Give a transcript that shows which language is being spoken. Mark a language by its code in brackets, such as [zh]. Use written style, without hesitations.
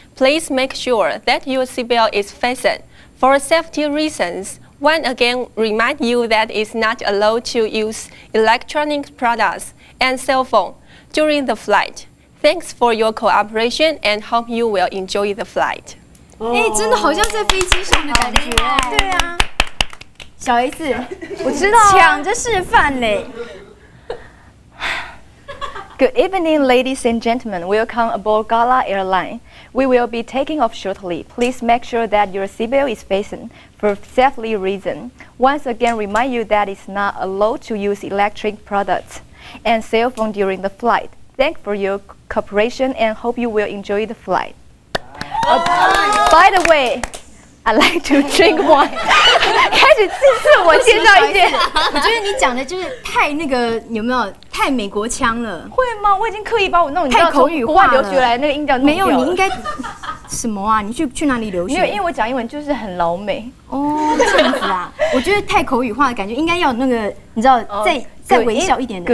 [en] Please make sure that your seatbelt is fastened. For safety reasons, once again remind you that it's not allowed to use electronic products and cell phone during the flight. Thanks for your cooperation and hope you will enjoy the flight. [zh] 欸，真的好像在飞机上的感觉。对啊，小 S，我知道，抢着示范咧。 [en] Good evening, ladies and gentlemen. Welcome aboard Gala Airline. We will be taking off shortly. Please make sure that your seatbelt is fastened for safety reasons. Once again, remind you that it's not allowed to use electric products and cell phone during the flight. Thanks for your cooperation and hope you will enjoy the flight. By the way, I like to drink wine. [zh] 开始自自我介绍一点。我觉得你讲的就是太那个，有没有？太美国腔了，会吗？我已经刻意把我弄太口语化了，留学来那个音调没有？你应该什么啊？你去哪里留学？没有，因为我讲英文就是很老美哦，这样子啊。我觉得太口语化的感觉，应该要那个，你知道，再微笑一点的。